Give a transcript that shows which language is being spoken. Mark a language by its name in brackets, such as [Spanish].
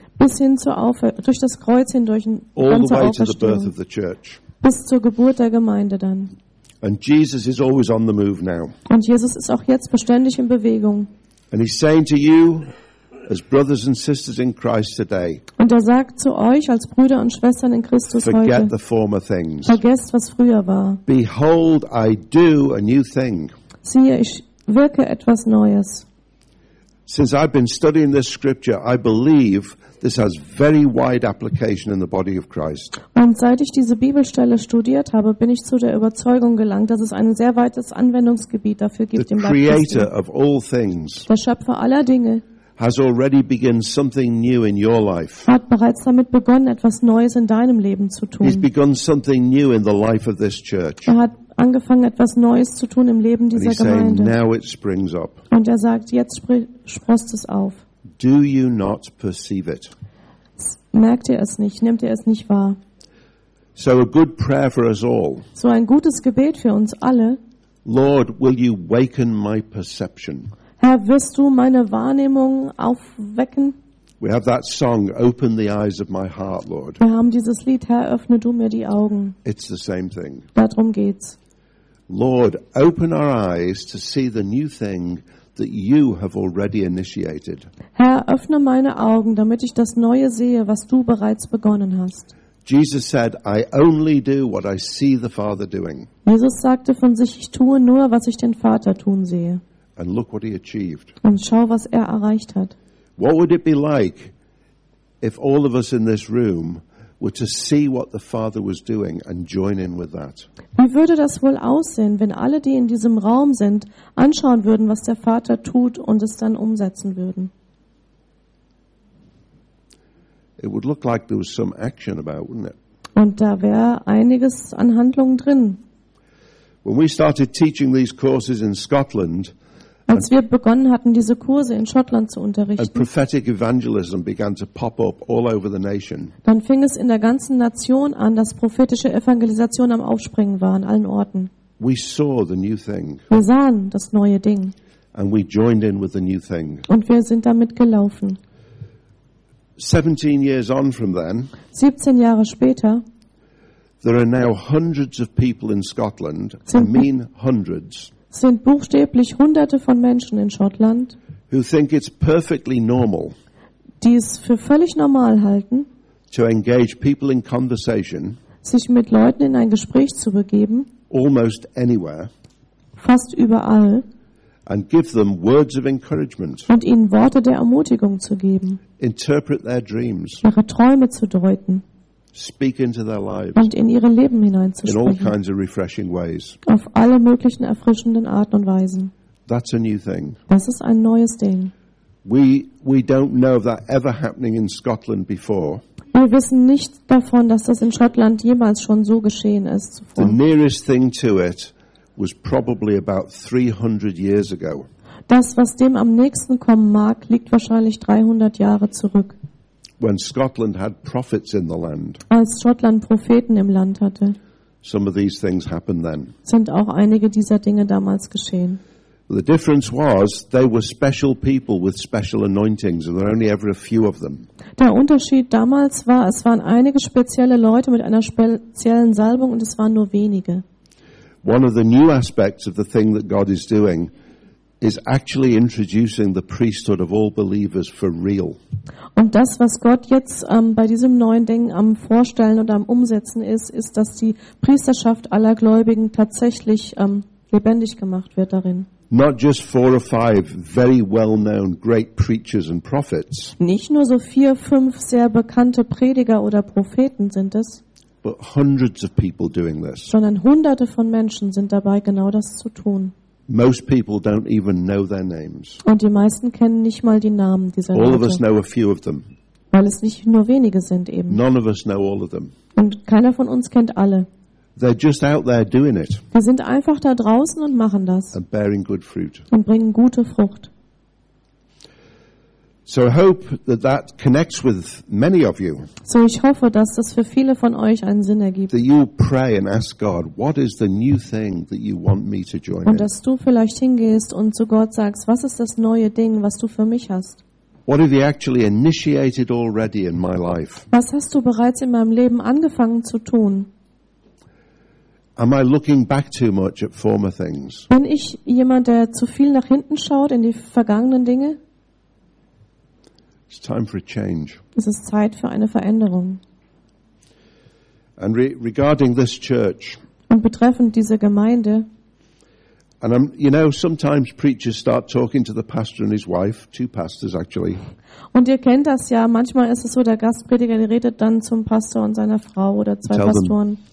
[German] Bis hin zur durch das Kreuz hindurch. [English] All the way to the birth of the church. [German] Bis zur Geburt der Gemeinde dann. [English] And Jesus is always on the move now. [German] Und Jesus ist auch jetzt beständig in Bewegung. [English] And he's saying to you, as brothers and sisters in Christ today. [German] Und sagt zu euch als Brüder und Schwestern in Christus heute. [English] Forget the former things. [German] Vergesst, was früher war. [English] Behold, I do a new thing. [German] Siehe, ich wirke etwas Neues. [English] Since I've been studying this scripture, I believe this has very wide application in the body of Christ. [German] Und seit ich diese Bibelstelle studiert habe, bin ich zu der Überzeugung gelangt, dass es ein sehr weites Anwendungsgebiet dafür gibt im Leib Christi. [English] The creator of all things. [German] Der Schöpfer aller Dinge. [English] Has already begun something new in your life. [German] Hat bereits damit begonnen, etwas Neues in deinem Leben zu tun. [English] He's begun something new in the life of this church. [German] Hat angefangen, etwas Neues zu tun im Leben dieser Gemeinde. [English] Saying, now it springs up. [German] Und sagt, jetzt sprost es auf. [English] Do you not perceive it? [German] Merkt ihr es nicht? Nehmt ihr es nicht wahr? [English] So a good prayer for us all. [German] So ein gutes Gebet für uns alle. [English] Lord, will you waken my perception? [German] Herr, wirst du meine Wahrnehmung aufwecken? [English] We have that song, "Open the eyes of my heart, Lord." [German] Wir haben dieses Lied, Herr, öffne du mir die Augen. [English] It's the same thing. [German] Darum geht's. [English] Lord, open our eyes to see the new thing that you have already initiated. [German] Herr, öffne meine Augen, damit ich das Neue sehe, was du bereits begonnen hast. [English] Jesus said, "I only do what I see the Father doing." [German] Jesus sagte von sich, ich tue nur, was ich den Vater tun sehe. [English] And look what he achieved. [German] Und schau, was er erreicht hat. [English] What would it be like if all of us in this room were to see what the Father was doing and join in with that? [German] Wie würde das wohl aussehen, wenn alle, die in diesem Raum sind, anschauen würden, was der Vater tut und es dann umsetzen würden? [English] It would look like there was some action about, wouldn't it? [German] Und da wäre einiges an Handlungen drin. [English] When we started teaching these courses in Scotland, [German] als wir begonnen hatten, diese Kurse in Schottland zu unterrichten, [English] and prophetic evangelism began to pop up all over the nation, [German] dann fing es in der ganzen Nation an, dass prophetische Evangelisation am Aufspringen war, an allen Orten. [English] We saw the new thing. [German] Wir sahen das neue Ding. [English] And we joined in with the new thing. [German] Und wir sind damit gelaufen. [English] 17 years on from then, [German] 17 Jahre später, [English] there are now hundreds of people in Scotland, I mean hundreds, [German] sind buchstäblich Hunderte von Menschen in Schottland, [English] who think it's perfectly normal, [German] die es für völlig normal halten, [English] to engage people in conversation, [German] sich mit Leuten in ein Gespräch zu begeben, [English] almost anywhere, [German] fast überall, [English] and give them words of encouragement, [German] und ihnen Worte der Ermutigung zu geben, [English] interpret their dreams, [German] ihre Träume zu deuten, [English] speak into their lives, [German] und in ihre Leben hineinzusprechen, [English] in all kinds of refreshing ways, [German] auf alle möglichen erfrischenden Arten und Weisen. [English] That's a new thing. [German] Das ist ein neues Ding. [English] We don't know of that ever happening in Scotland before. [German] Wir wissen nicht davon, dass das in Schottland jemals schon so geschehen ist zuvor. [English] The nearest thing to it was probably about 300 years ago. [German] Das, was dem am nächsten kommen mag, liegt wahrscheinlich 300 Jahre zurück. [English] When Scotland had prophets in the land. [German] Als Schottland Propheten im Land hatte. [English] Some of these things happened then. [German] Sind auch einige dieser Dinge damals geschehen. [English] The difference was they were special people with special anointings, and there were only ever a few of them. [German] Der Unterschied damals war, es waren einige spezielle Leute mit einer speziellen Salbung und es waren nur wenige. [English] One of the new aspects of the thing that God is doing is actually introducing the priesthood of all believers for real. [German] Und das, was Gott jetzt bei diesem neuen Ding am Vorstellen und am Umsetzen ist, ist, dass die Priesterschaft aller Gläubigen tatsächlich lebendig gemacht wird darin. [English] Not just four or five very well-known great preachers and prophets. [German] Nicht nur so 4, 5 sehr bekannte Prediger oder Propheten sind es. [English] But hundreds of people doing this. [German] Sondern Hunderte von Menschen sind dabei, genau das zu tun. [English] Most people don't even know their names. [German] Und die meisten kennen nicht mal die Namen dieser Leute. [English] All of us know a few of them. [German] Weil es nicht nur wenige sind eben. [English] None of us know all of them. [German] Und keiner von uns kennt alle. [English] They're just out there doing it. [German] Die sind einfach da draußen und machen das. [English] And bearing good fruit. [German] Und bringen gute Frucht. [English] So I hope that that connects with many of you. [German] So ich hoffe, dass das für viele von euch einen Sinn ergibt. [English] That you pray and ask God, what is the new thing that you want me to join in? [German] Und dass du vielleicht hingehst und zu Gott sagst, was ist das neue Ding, was du für mich hast? [English] What have you actually initiated already in my life? [German] Was hast du bereits in meinem Leben angefangen zu tun? [English] Am I looking back too much at former things? [German] Bin ich jemand, der zu viel nach hinten schaut in die vergangenen Dinge? [English] It's time for a change. [German] Es ist Zeit für eine Veränderung. [English] And regarding this church. [German] Und betreffend diese Gemeinde. [English] And you know, sometimes preachers start talking to the pastor and his wife, two pastors actually. [German] Und ihr kennt das ja. Manchmal ist es so, der Gastprediger, der redet dann zum Pastor und seiner Frau oder zwei Pastoren.